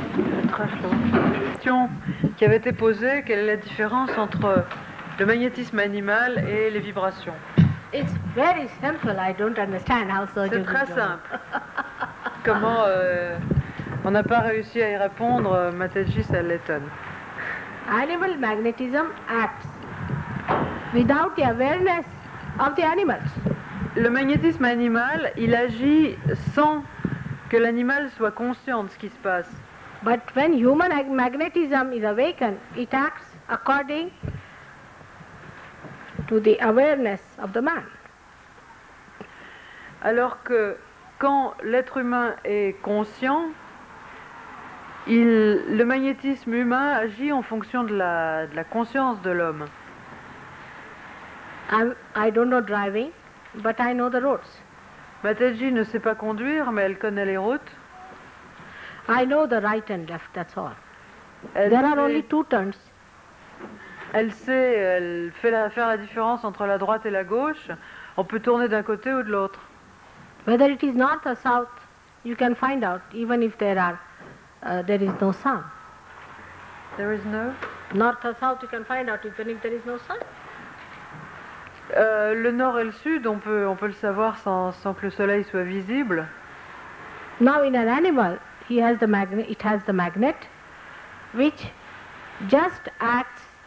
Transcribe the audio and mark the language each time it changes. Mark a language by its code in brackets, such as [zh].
[fr] La question qui avait été posée, quelle est la différence entre le magnétisme animal et les vibrations? [en] It's very simple. I don't understand how surgeons do it. [fr] C'est très simple. Comment on n'a pas réussi à y répondre, Mataji, ça l'étonne. [en] Animal magnetism acts without the awareness of the animals. [fr] Le magnétisme animal, il agit sans que l'animal soit conscient de ce qui se passe. [en] But when human magnetism is awakened, it acts according to the awareness of the man. [fr] Alors que quand l'être humain est conscient, le magnétisme humain agit en fonction de la conscience de l'homme. [en] I don't know driving, but I know the roads. [fr] Mataji ne sait pas conduire, mais elle connaît les routes. [en] I know the right and left, that's all. There are only two turns. [fr] Elle sait, elle fait faire la différence entre la droite et la gauche. On peut tourner d'un côté ou de l'autre. [en] Whether it is north or south, you can find out, even if there is no sun. There is no? North or south, you can find out, even if there is no sun. [fr] Le nord et le sud, on peut le savoir sans que le soleil soit visible. [en] Now in an animal, it has the magnet, which just acts.